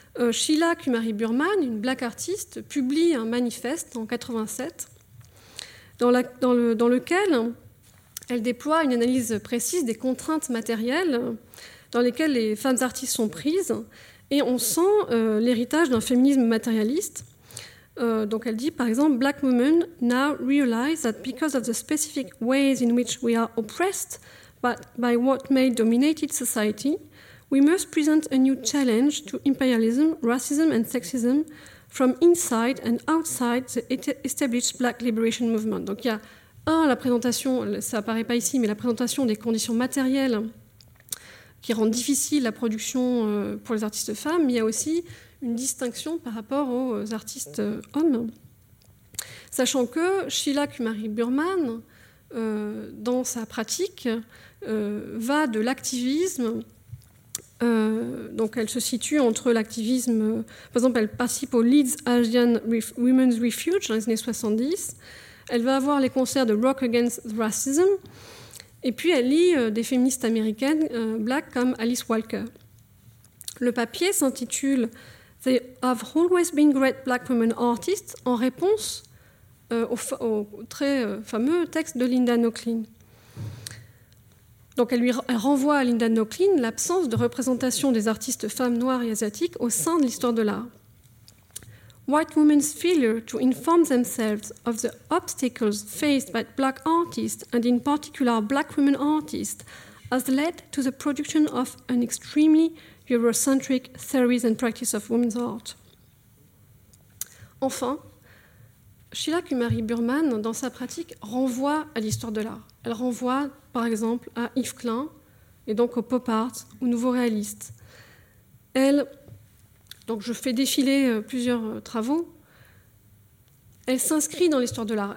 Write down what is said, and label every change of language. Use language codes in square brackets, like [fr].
[fr] Sheila Kumari Burman, une black artiste, publie un manifeste en 87 dans lequel elle déploie une analyse précise des contraintes matérielles dans lesquelles les femmes artistes sont prises, et on sent l'héritage d'un féminisme matérialiste. Donc elle dit par exemple: [en] Black women now realize that because of the specific ways in which we are oppressed by what male dominated society, we must present a new challenge to imperialism, racism and sexism from inside and outside the established black liberation movement. [fr] Donc il y a la présentation, ça apparaît pas ici, mais la présentation des conditions matérielles qui rendent difficile la production pour les artistes femmes, mais il y a aussi une distinction par rapport aux artistes hommes. Sachant que Sheila Kumari Burman, dans sa pratique, va de l'activisme, donc elle se situe entre l'activisme, par exemple elle participe au Leeds Asian Women's Refuge dans les années 70, elle va avoir les concerts de Rock Against Racism, et puis elle lit des féministes américaines black comme Alice Walker. Le papier s'intitule « They have always been great black women artists » en réponse au très fameux texte de Linda Nochlin. Donc elle renvoie à Linda Nochlin l'absence de représentation des artistes femmes noires et asiatiques au sein de l'histoire de l'art. [en] White women's failure to inform themselves of the obstacles faced by black artists, and in particular black women artists, has led to the production of an extremely Eurocentric theories and practice of women's art. [fr] Enfin, Sheila Kumari Burman, dans sa pratique, renvoie à l'histoire de l'art. Elle renvoie, par exemple, à Yves Klein, et donc au pop art, au nouveau réaliste. Elle, donc je fais défiler plusieurs travaux, elle s'inscrit dans l'histoire de l'art.